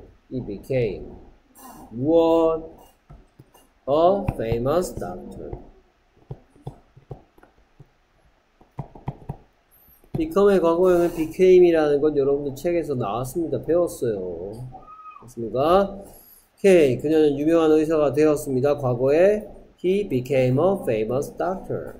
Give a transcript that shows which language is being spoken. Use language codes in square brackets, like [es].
[en] He became what a famous doctor. [ko] Become의 과거형은 became이라는 건 여러분들 책에서 나왔습니다. 배웠어요. 맞습니까? Okay. 그녀는 유명한 의사가 되었습니다. [en] 과거에 He became a famous doctor.